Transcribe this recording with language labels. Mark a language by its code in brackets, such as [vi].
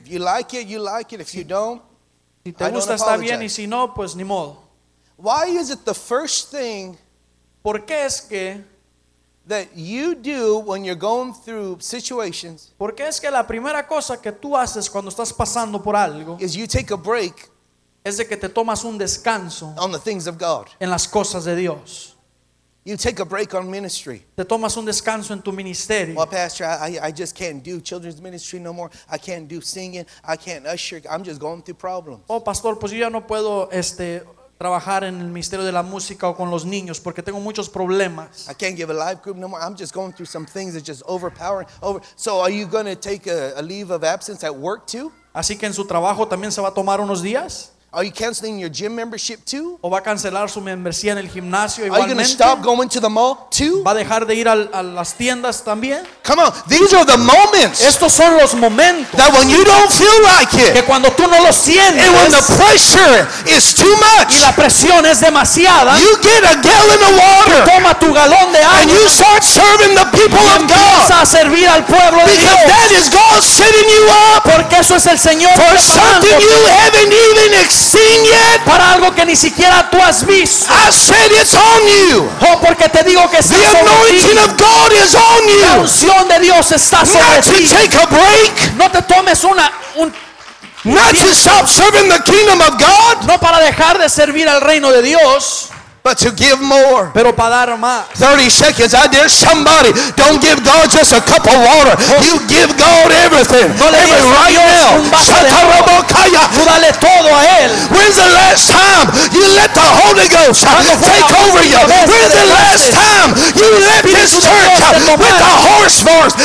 [en] If you like it, you like it. If you don't, [es] si te gusta, está bien. Y si no, pues ni modo. [en] Why is it the first thing? [es] ¿Por qué es que [en] that you do when you're going through situations? [es] ¿Por qué es que la primera cosa que tú haces cuando estás pasando por algo [en] is you take a break? [es] Es de que te tomas un descanso [en] on the things of God. [es] En las cosas de Dios. [en] You take a break on ministry. [es] Te tomas un descanso en tu ministerio. [en] Well, Pastor, I just can't do children's ministry no more. I can't do singing. I can't usher. I'm just going through problems. [es] Oh, Pastor, pues yo ya no puedo trabajar en el ministerio de la música o con los niños porque tengo muchos problemas. [en] I can't give a live group no more. I'm just going through some things that just overpowering. Over. So are you going to take a leave of absence at work too? [es] Así que en su trabajo también se va a tomar unos días. [en] Are you canceling your gym membership too? [es] ¿O va a cancelar su membresía en el gimnasio igualmente? [en] Are you going to stop going to the mall too? [es] ¿Va a dejar de ir a las tiendas también? [en] Come on, these are the moments. [es] Estos son los momentos. [en] That when you don't feel like it. [es] Que cuando tú no lo sientes. [en] And when the pressure is too much. [es] Y la presión es demasiada. [en] You get a gallon of water. [es] Toma tu galón de agua. [en] And you start serving the people of God. [es] Y empieza a servir al pueblo de Dios. [en] Because that is God setting you up. [es] Porque eso es el Señor [en] for something you haven't even seen yet. [es] Para algo que ni siquiera tú has visto. [en] I said it's on you. [es] Oh, porque te digo que [en] the anointing of God is on you. [es] La unción de Dios está sobre [en] ti. Not to take a break. [es] No te tomes una [en] not to stop serving the kingdom of God. [es] No para dejar de servir al reino de Dios. [en] But to give more. [es] Pero para dar más. [en] 30 seconds. I dare somebody. Don't give God just a cup of water. You give God everything. [es] No le [en] even right [es] Dios [en] now. [es] Tú dale todo a él. [en] When's the last time you let the Holy Ghost take over you? When's the last time you left this church with a horse voice?